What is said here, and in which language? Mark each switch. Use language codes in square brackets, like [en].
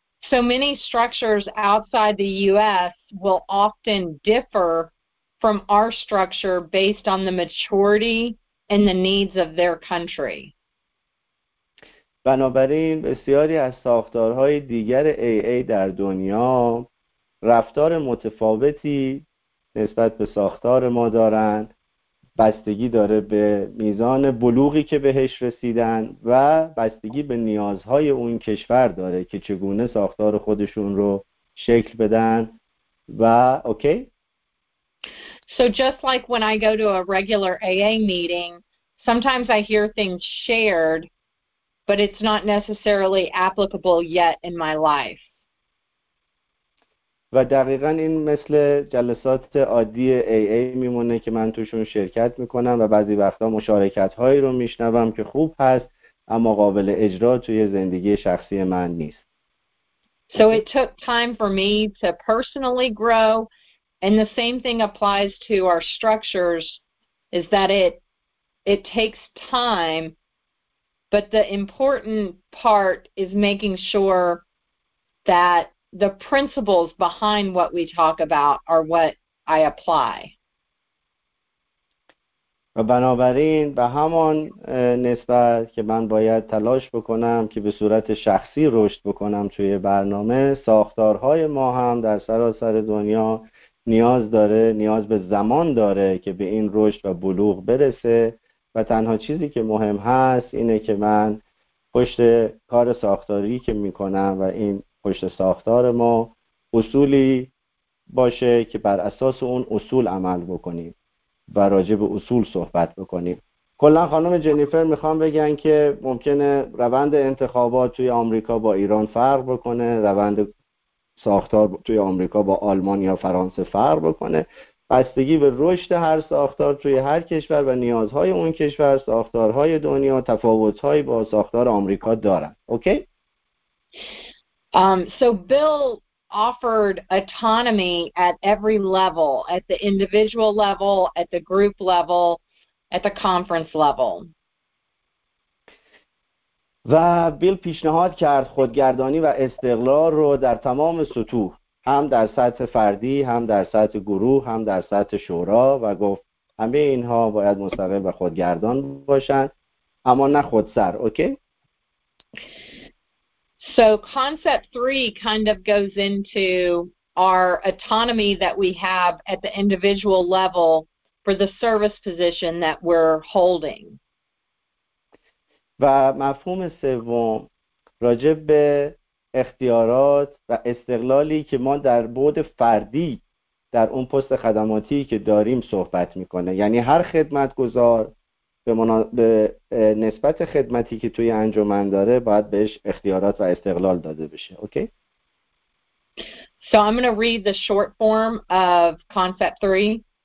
[en] So many structures outside the US will often differ from our structure based on the maturity and the needs of their country. [fa] بنابراین بسیاری از ساختارهای دیگر AA در دنیا رفتار متفاوتی نسبت به ساختار ما دارن، بستگی داره به میزان بلوغی که بهش رسیدن و بستگی به نیازهای اون کشور داره که چگونه ساختار خودشون رو شکل بدن و اوکی؟ [en] So just like when I go to a regular AA meeting, sometimes I hear things shared, but it's not necessarily applicable yet in my life. [fa] و دقیقا این مثل جلسات عادی AA میمونه که من توشون شرکت میکنم و بعضی وقتا مشارکت هایی رو میشنوم که خوب هست اما قابل اجرا توی زندگی شخصی من نیست. [en] So it took time for me to personally grow, and the same thing applies to our structures, is that it takes time, but the important part is making sure that the principles behind what we talk about are what I apply. [fa] و بنابراین به همان نسبت که من باید تلاش بکنم که به صورت شخصی رشد بکنم توی برنامه، ساختارهای ما هم در سراسر دنیا نیاز داره، نیاز به زمان داره که به این رشد و بلوغ برسه و تنها چیزی که مهم هست اینه که من پشت کار ساختاری که میکنم و این پشت ساختار ما اصولی باشه که بر اساس اون اصول عمل بکنیم و راجع به اصول صحبت بکنیم. کلن خانم جنیفر میخوام بگن که ممکنه روند انتخابات توی آمریکا با ایران فرق بکنه، روند ساختار توی آمریکا با آلمان یا فرانسه فرق بکنه، بستگی به رشد هر ساختار توی هر کشور و نیازهای اون کشور، ساختارهای دنیا تفاوتهایی با ساختار آمریکا دارن. [en] Okay? So Bill offered autonomy at every level, at the individual level, at the group level, at the conference level. [fa] و بیل پیشنهاد کرد خودگردانی و استقلال رو در تمام سطوح، هم در سطح فردی، هم در سطح گروه، هم در سطح شورا، و گفت همه اینها باید مستقل و خودگردان باشن اما نه خودسر. [en] Okay? So concept three kind of goes into our autonomy that we have at the individual level for the service position that we're holding. [fa] و مفهوم سوم راجع به اختیارات و استقلالی که ما در بُعد فردی در اون پست خدماتی که داریم صحبت می‌کنه، یعنی هر خدمتگزار به نسبت خدمتی که توی انجمن داره باید بهش اختیارات و استقلال داده بشه. [en] Okay? So I'm going to read the short form of concept 3.